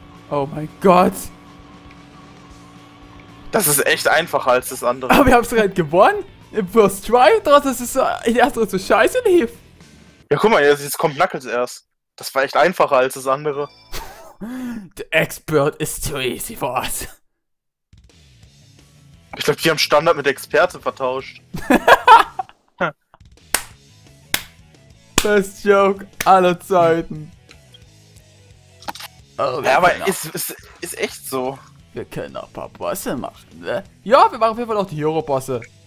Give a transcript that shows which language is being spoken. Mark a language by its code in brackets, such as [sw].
[de] Oh mein Gott! Das ist echt einfacher als das andere. Aber wir haben es gerade gewonnen? Im First Try, trotz dass es erst so scheiße lief. Ja, guck mal, jetzt kommt Knuckles erst. Das war echt einfacher als das andere. [en] The Expert is too easy for us. [de] Ich glaube, die haben Standard mit Experte vertauscht. Best Joke aller Zeiten. Oh, ja, aber ist echt so. Wir können auch ein paar Bosse machen, ne? Ja, wir machen auf jeden Fall auch die Hero-Bosse.